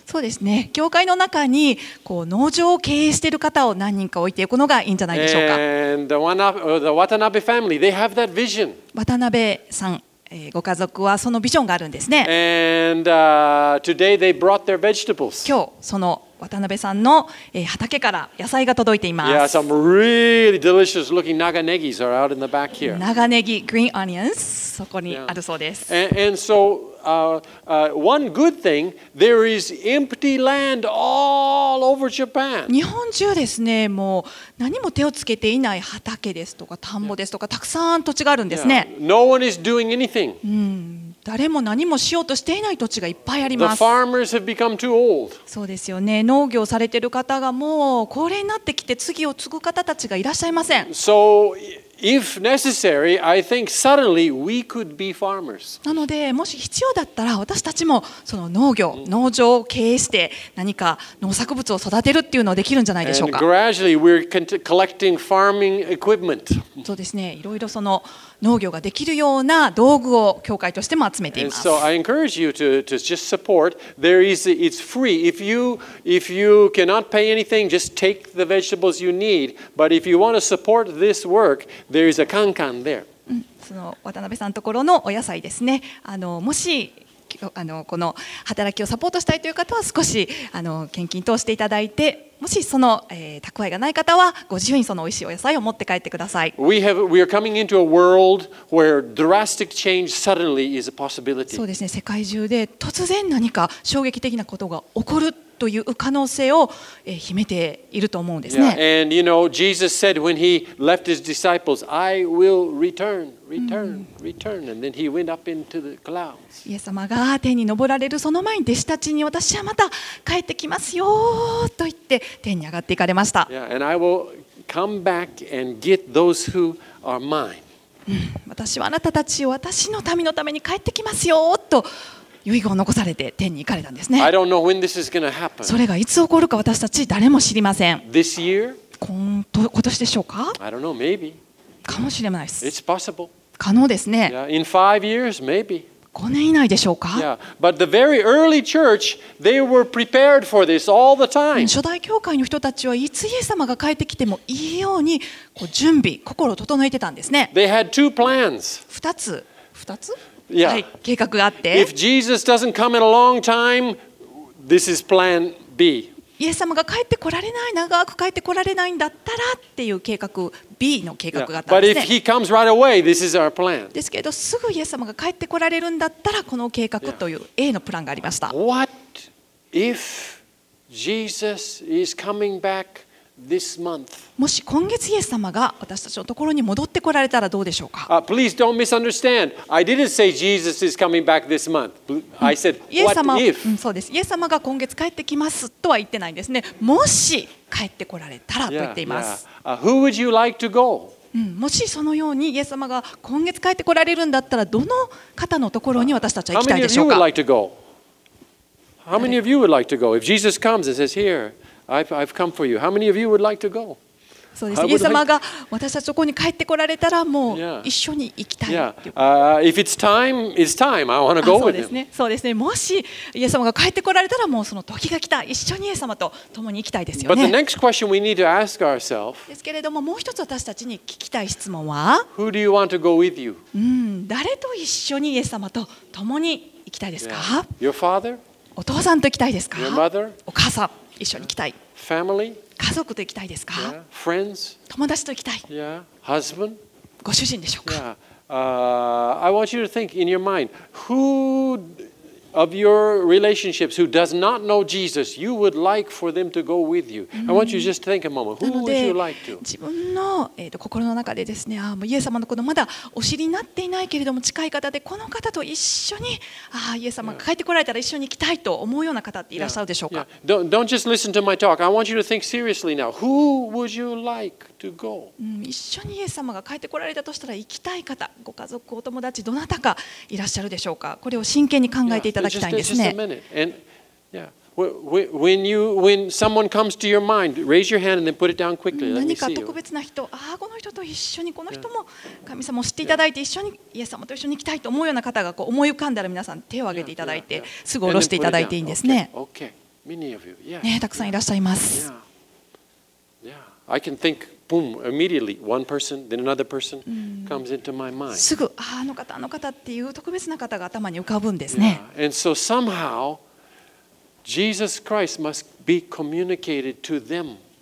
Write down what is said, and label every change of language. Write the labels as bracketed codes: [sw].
[ja] そうですね。教会の中にこう農場を経営している方を何人か置いていくのがいいんじゃないでしょうか。 [en] And the Watanabe family, they have that vision. [ja] 渡辺さん。ご家族はそのビジョンがあるんですね。 [en] And, today they brought their vegetables. [ja] 今日その渡辺さんの畑から野菜が届いています。 [en] Yeah, some really delicious looking naga negis are out in the back here. [ja] 長ネギ、 [en] green onions、 [ja] そこにあるそうです。 [en] Yeah. And so, one good thing, there is empty land all over Japan. [ja] 日本中ですね、もう何も手をつけていない畑ですとか田んぼですとか、たくさん土地があるんですね。 [en] Yeah. No one is doing anything. [ja] 誰も何もしようとしていない土地がいっぱいあります。 [en] The farmers have become too old. [ja] そうですよね。農業されている方がもう高齢になってきて、次を継ぐ方たちがいらっしゃいません。 [en] So, if necessary, I think suddenly we could be farmers. [ja] なので、もし必要だったら、私たちもその農業、農場を経営して何か農作物を育てるっていうのはできるんじゃないでしょうか。 [en] And gradually we're collecting farming equipment. [ja] そうですね。いろいろその農業ができるような道具を教会としても集めています。 [en] So I encourage you to just support. There is, it's free. If you cannot pay anything, just take the vegetables you need. But if you want to support this work, there is a kankan there. [ja] その渡辺さんのところのお野菜ですね。もしこの働きをサポートしたいという方は少し献金通していただいて、もしその蓄えがない方はご自由にその美味しいお野菜を持って帰ってください。 [en] We are coming into a world where drastic change suddenly is a possibility. [ja] そうですね、世界中で突然何か衝撃的なことが起こるという可能性を秘めていると思うんですね。 [en] And you know, Jesus said when he left his disciples, I will return, and then he went up into the clouds. [ja] イエス様が天に昇られるその前に、弟子たちに私はまた帰ってきますよと言って天に上がっていかれました。 [en] Yeah, and I will come back and get those who are mine. [ja] 私はあなたたちを私の民のために帰ってきますよと遺言を残されて天に行かれたんですね。 [en] I don't know when this is gonna happen. [ja] それがいつ起こるか私たち誰も知りません。 [en] This year? [ja] 今年でしょうか? [en] I don't know, maybe. [ja] かもしれないです。 [en] It's possible. [ja] 可能ですね。 [en] Yeah, in 5 years, maybe. [ja] 5年以内でしょうか? [en] Yeah, but the very early church, they were prepared for this all the time. [ja] 初代教会の人たちはいつイエス様が帰ってきてもいいようにこう準備、心を整えてたんですね。 [en] They had two plans. [ja] 2つ? [en] Yeah. [ja] はい、計画があって。 [en] If Jesus doesn't come in a long time, this is plan B. [ja] イエス様が帰ってこられない、長く帰ってこられないんだったらっていう計画 B の計画があったんですね。 [en] But if he comes right away, this is our plan. [ja] ですけど、すぐイエス様が帰ってこられるんだったらこの計画という A のプランがありました。 [en] What if Jesus is coming back this month? [ja] もし今月イエス様が私たちのところに戻ってこられたらどうでしょうか。 [en] Please don't misunderstand. I didn't say Jesus is coming back this month. I said what if. [ja] そうです。イエス様が今月帰ってきますとは言ってないんですね。もし帰ってこられたらと言っています。 [en] Who would you like to go? [ja] もしそのようにイエス様が今月帰ってこられるんだったらどの方のところに私たちは行きたいでしょうか。 [en] How many of you would like to go? How many of you would like to go? If Jesus comes and says, "Here, I've come for you." How many of you would like to go? [ja] そうです。イエス様が私たちそこに帰ってこられたらもう一緒に行きたい。 [en] If it's time, it's time. I want to go with him. [ja] そうですね。そうですね。もしイエス様が帰ってこられたらもうその時が来た。一緒にイエス様と共に行きたいですよね。 [en] But the next question we need to ask ourselves. [ja] ですけれどももう一つ私たちに聞きたい質問は、 [en] Who do you want to go with you? [ja] 誰と一緒にイエス様と共に行きたいですか。 [en] Your father? [ja] お父さんと行きたいですか。 [en] Your mother? [ja] お母さん一緒に行きたい。 [en] Family? [ja] 家族と行きたいですか? [en] Yeah. Friends? [ja] 友達と行きたい。 [en] Yeah. Husband? [ja] ご主人でしょうか? [en] Yeah. I want you to think in your mind, who of your relationships who does not know Jesus you would like for them to go with you? I want you to just think a moment. Who would you like to? [ja] 自分の、心の中でですね、イエス様のことまだお知りになっていないけれども近い方でこの方と一緒に、イエス様が帰ってこられたら一緒に行きたいと思うような方っていらっしゃるでしょうか? [en] Yeah. Yeah. Don't just listen to my talk. I want you to think seriously now. Who would you like? To go. [ja] 一緒にイエス様が帰ってこられたとしたら行きたい方、ご家族、お友達、どなたかいらっしゃるでしょうか。これを真剣に考えていただきたいんですね。 [en] When someone comes to your mind, raise your hand and then put it down quickly. [ja] 何か特別な人、この人と一緒に、この人も神様を知っていただいて、一緒にイエス様と一緒に行きたいと思うような方がこう思い浮かんだら皆さん手を挙げていただいて、すぐ下ろしていただいていいんですね。ね、たくさんいらっしゃいます。 [en] I can think. Boom, immediately, one person, then another person comes into my mind. [ja] すぐ、あの方、あの方っていう特別な方が頭に浮かぶんですね。 [en] Yeah. And so somehow, Jesus Christ must be communicated to them.